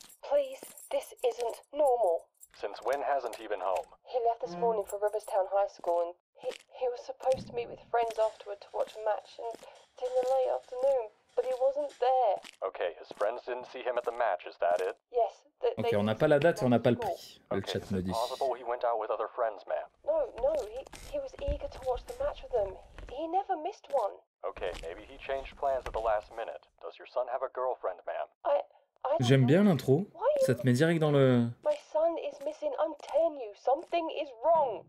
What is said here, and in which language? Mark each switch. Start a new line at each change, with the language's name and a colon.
English: Please. This isn't normal. Since when hasn't he been home? He left this morning for Riverstown High School and he was supposed to meet with friends afterward to watch a match and it's in the late afternoon, but he wasn't there. Okay, his friends didn't see him at the match, is that it? Yes.
French: Okay, on n'a pas la date et on n'a pas le prix, le chat me dit.
English: Okay, it's possible he went out with other friends, ma'am. No, no, he was eager to watch the match with them. He never missed one. Okay, maybe he changed plans at the last minute. Does your son have a girlfriend, ma'am?
French: J'aime bien l'intro. Ça te met direct dans le...
English: My son is missing. I'm telling you, something is wrong.